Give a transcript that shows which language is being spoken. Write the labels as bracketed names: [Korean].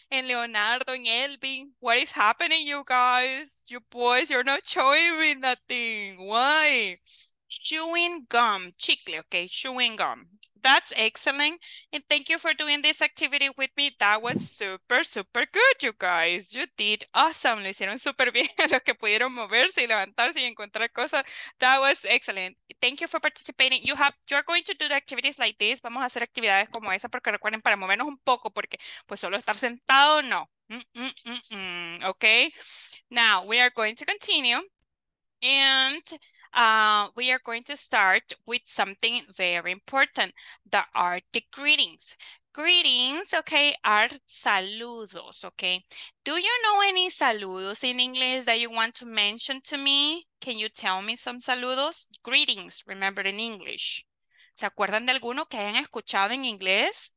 [English] And Leonardo and Elvin, what is happening, you guys? You boys, you're not showing me nothing. Why? Chewing gum. Chicle, okay? Chewing gum. That's excellent. And thank you for doing this activity with me. That was super, super good, you guys. You did awesome. [Spanish] Lo hicieron super bien. Lo que pudieron moverse y levantarse y encontrar cosas. [English] That was excellent. Thank you for participating. You're going to do the activities like this. [Spanish] Vamos a hacer actividades como esa porque recuerden para movernos un poco porque pues solo estar sentado, no. [English] Okay. Now, we are going to continue. And... we are going to start with something very important. The are the greetings. Greetings, okay, are saludos, okay? Do you know any saludos in English that you want to mention to me? Can you tell me some saludos? Greetings, remember in English. [Spanish] ¿Se acuerdan de alguno que hayan escuchado en inglés?